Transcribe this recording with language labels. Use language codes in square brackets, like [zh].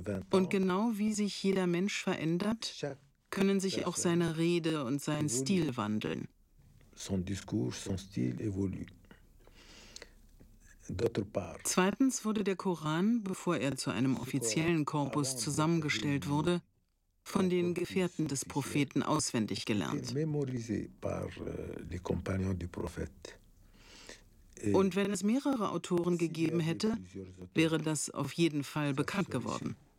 [de] Und genau wie sich jeder Mensch verändert, können sich auch seine Rede und sein Stil wandeln. [fr] Son discours, son style évolue. [de] Zweitens wurde der Koran, bevor er zu einem offiziellen Korpus zusammengestellt wurde, von den Gefährten des Propheten auswendig gelernt. Und wenn es mehrere Autoren gegeben hätte, wäre das auf jeden Fall bekannt geworden.